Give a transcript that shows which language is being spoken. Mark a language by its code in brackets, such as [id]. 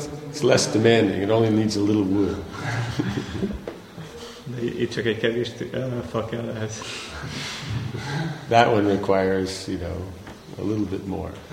[en] It's less demanding, it only needs a little wood. [hu] Itt csak egy kevés fa kell ehhez. [en] That one requires, you know, a little bit more.